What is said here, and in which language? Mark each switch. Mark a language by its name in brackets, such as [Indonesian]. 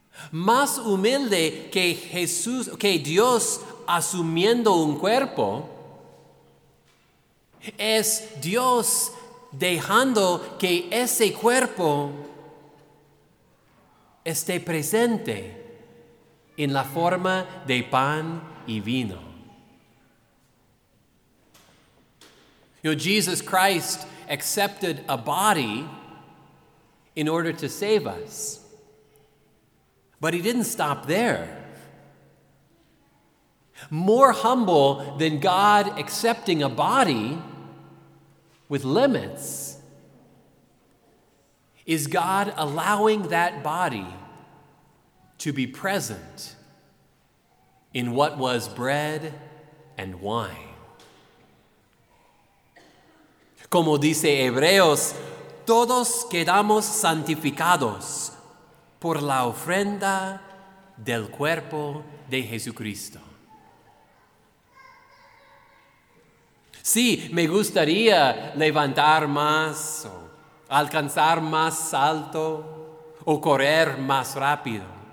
[Spanish] Más humilde que Jesús, que Dios asumiendo un cuerpo, es Dios dejando que ese cuerpo esté presente en la forma de pan y vino. [English] You know, Jesus Christ accepted a body in order to save us. But he didn't stop there. More humble than God accepting a body with limits is God allowing that body to be present in what was bread and wine. [Spanish] Como dice Hebreos, todos quedamos santificados por la ofrenda del cuerpo de Jesucristo. Sí, me gustaría levantar más, o alcanzar más alto, o correr más rápido.